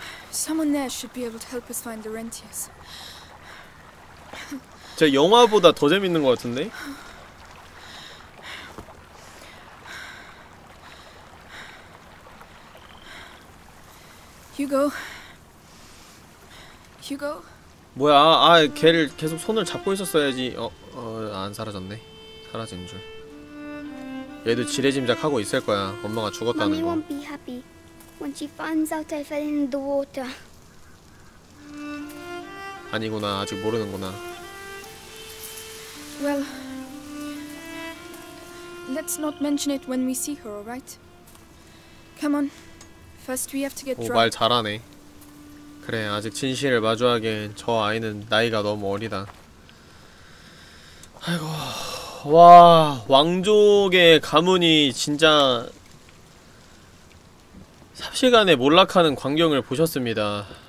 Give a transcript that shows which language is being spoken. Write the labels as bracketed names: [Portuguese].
[English] Someone there should be able to help us find Laurentius. [Korean] 제 영화보다 더 재밌는 것 같은데? 휴고. 뭐야, 아, 걔를 계속 손을 잡고 있었어야지. 안 사라졌네. 사라진 줄. 얘도 지레짐작하고 있을 거야. 엄마가 죽었다는 거. [English] Mommy won't be happy when she finds out I fell in the water. [Korean] 아니구나, 아직 모르는구나. [English] Well, let's not mention it when we see her, alright? Come on, first we have to get dressed. [Korean] 오, 말 잘하네. 그래, 아직 진실을 마주하기엔 저 아이는 나이가 너무 어리다. 아이고, 와, 왕족의 가문이 진짜 삽시간에 몰락하는 광경을 보셨습니다.